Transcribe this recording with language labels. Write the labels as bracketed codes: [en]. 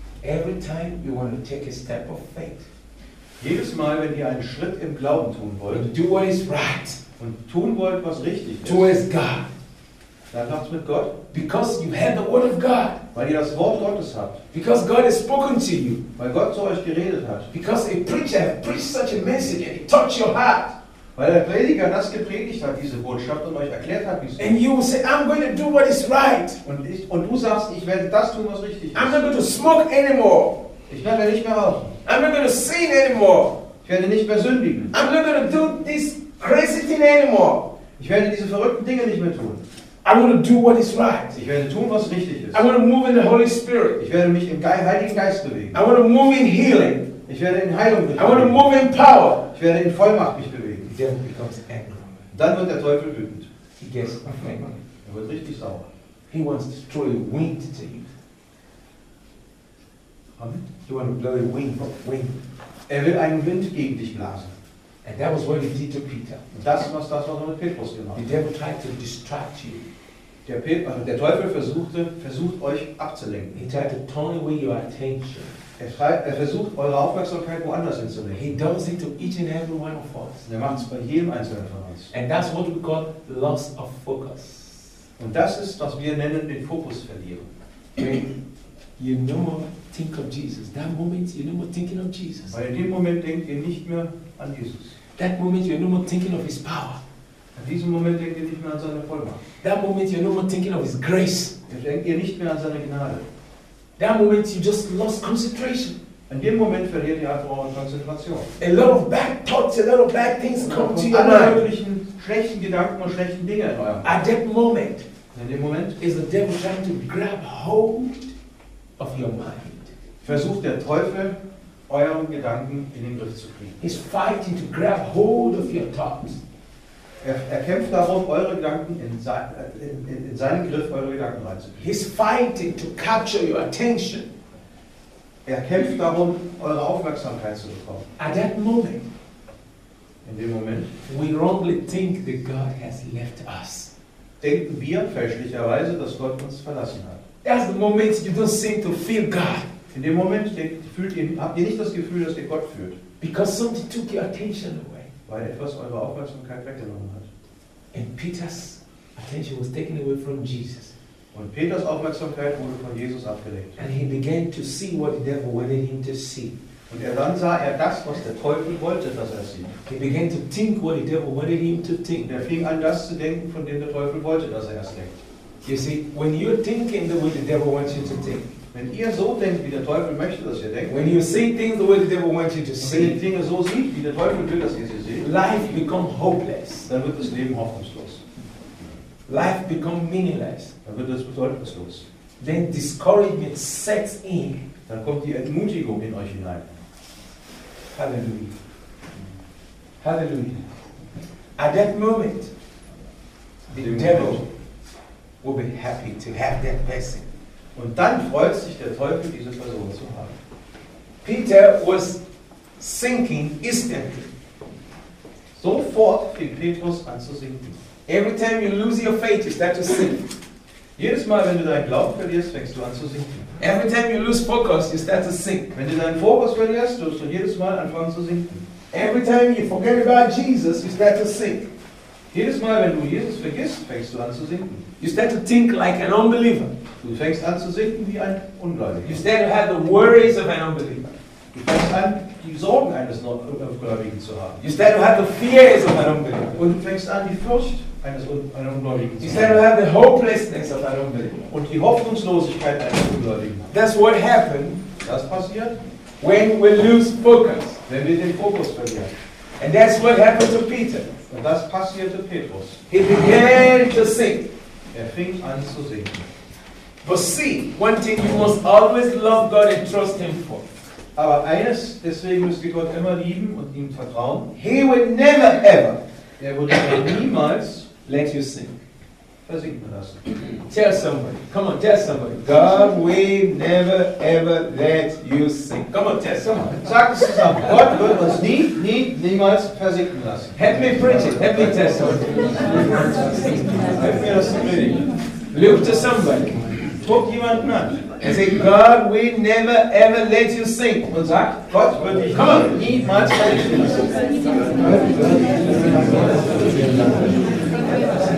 [en] Every time you want to take a step of faith. [de] Jedes Mal, wenn ihr einen Schritt im Glauben tun wollt, [en] do what is right. [de] Und tun wollt, was richtig ist, [en] do as God. [de] Dann macht's mit Gott. [en] Because you have the word of God. [de] Weil ihr das Wort Gottes habt. [en] Because God has spoken to you. [de] Weil Gott zu euch geredet hat. [en] Because a preacher has preached such a message and it touched your heart. [de] Weil der Prediger das gepredigt hat, diese Botschaft, und euch erklärt hat, wie es ist. [en] And you say, I'm going to do what is right. [de] Und du sagst, ich werde das tun, was richtig ist. [en] I'm not going to smoke anymore. [de] Ich werde nicht mehr rauchen. [en] I'm not going to sin anymore. [de] Ich werde nicht mehr sündigen. [en] I'm not going to do this crazy thing anymore. [de] Ich werde diese verrückten Dinge nicht mehr tun. [en] I want to do what is right. [de] Ich werde tun, was richtig ist. [en] I want to move in the Holy Spirit. [de] Ich werde mich im Heiligen Geist bewegen. [en] I want to move in healing. [de] Ich werde in Heilung bewegen. [en] I want to move in power. [de] Ich werde in Vollmacht mich bewegen. [en] The devil becomes angry. [de] Dann wird der Teufel wütend. [en] He gets angry. [de] Er wird richtig sauer. [en] He wants to throw a wind to you. Amen. He wants to blow a wind. Wind. [de] Er will einen Wind gegen dich blasen. [en] And that was what he did to Peter. [de] Und das was er mit Petrus gemacht hat. [en] The devil tried to distract you. [de] Der Teufel versucht euch abzulenken. [en] He tried to turn away your attention. [de] Er versucht eure Aufmerksamkeit woanders hinzulenken. [en] He does it to each and every one of us. [de] Er macht es bei jedem einzelnen von uns. [en] And that's what we call loss of focus. [de] Und das ist, was wir nennen, den Fokus verlieren. [en] You no more think of Jesus. That moment, you no more thinking of Jesus. [de] Weil in dem Moment denkt ihr nicht mehr an Jesus. [en] That moment, you no more thinking of His power. [de] In diesem Moment denkt ihr nicht mehr an seine Vollmacht. [en] That moment, you no more thinking of His grace. [de] Denkt ihr nicht mehr an seine Gnade. [en] That moment, you just lost concentration. [de] In dem Moment verliert ihr einfach eure Konzentration. [en] A lot of bad thoughts, a lot of bad things come to your mind. [de] Alle möglichen schlechten Gedanken und schlechten Dinge in eurem. [en] At that moment, [de] in dem Moment, [en] is the devil trying to grab hold of your mind. [de] Versucht der Teufel, euren Gedanken in den Griff zu kriegen. [en] He's fighting to grab hold of your thoughts. [de] Er kämpft darum, eure Gedanken in seinen Griff, eure Gedanken reinzubringen. [en] He's fighting to capture your attention. [de] Er kämpft darum, eure Aufmerksamkeit zu bekommen. [en] At that moment, [de] in dem Moment, [en] we wrongly think that God has left us. [de] Denken wir fälschlicherweise, dass Gott uns verlassen hat. [en] That's the moment you don't seem to feel God. [de] In dem Moment habt ihr nicht das Gefühl, dass ihr Gott fühlt. [en] Because something took your attention away. [de] Weil etwas eure Aufmerksamkeit weggenommen hat. [en] And Peter's attention was taken away from Jesus. [de] Und Peters Aufmerksamkeit wurde von Jesus abgelenkt. [en] And he began to see what the devil wanted him to see. [de] Und dann sah er das, was der Teufel wollte, dass er sieht. [en] He began to think what the devil wanted him to think. [de] Er fing an, das zu denken, von dem der Teufel wollte, dass er es denkt. [en] You see, when you're thinking the way the devil wants you to think. [de] Wenn ihr so denkt, wie der Teufel möchte, dass ihr denkt, [en] when you see things the way the devil wants you to see, [de] wenn ihr Dinge so sieht, wie der Teufel will, dass ihr sie seht, [en] life become hopeless. [de] Dann wird das Leben hoffnungslos. [en] Life become meaningless. [de] Dann wird es bedeutungslos. [en] Then discouragement sets in. [de] Dann kommt die Entmutigung in euch hinein. [en] Hallelujah. Hallelujah. At that moment, the devil will be happy to have that person. [de] Und dann freut sich der Teufel, diese Person zu haben. [en] Peter was sinking instantly. [de] Sofort fing Petrus an zu sinken. [en] Every time you lose your faith, you start to sink. [de] Jedes Mal, wenn du deinen Glauben verlierst, fängst du an zu sinken. [en] Every time you lose focus, you start to sink. [de] Wenn du deinen Fokus verlierst, wirst du jedes Mal anfangen zu sinken. [en] Every time you forget about Jesus, you start to sink. [de] Jedes Mal, wenn du Jesus vergisst, fängst du an zu sinken. [en] You start to think like an unbeliever. [de] Du fängst an zu sinken wie ein Ungläubiger. [en] You start to have the worries of an unbeliever. [de] Du fängst an, die Sorgen eines Ungläubigen zu haben. [en] You start to have the fears of an unbeliever. [de] Und du fängst an, die Furcht eines Ungläubigen zu haben. [en] You start to have the hopelessness of an unbeliever. [de] Und die Hoffnungslosigkeit eines Ungläubigen. [en] That's what happened. [de] Das passiert, [en] when we lose focus. [de] Wenn wir den Fokus verlieren. [en] And that's what happened to Peter. [de] Und das passierte Petrus. [en] He began to sink. [de] Er fing an zu sinken. [en] But see, one thing you must always love God and trust Him for. [de] Aber eines, deswegen müsst ihr Gott immer lieben und ihm vertrauen. [en] He would never ever. [de] Er würde niemals [en] let you sink. [de] Versinken lassen. [en] Tell somebody. Come on, tell somebody. God will never ever let you sink. Come on, tell somebody. [de] Sag es zusammen. Gott wird uns niemals versinken lassen. [en] Help me preach it. Help me tell somebody. Help me [de] das reden. [en] Look to somebody. [de] Guck jemanden an. [en] And say, God will never ever let you sink. [de] Und sag, Gott wird dich niemals versinken lassen.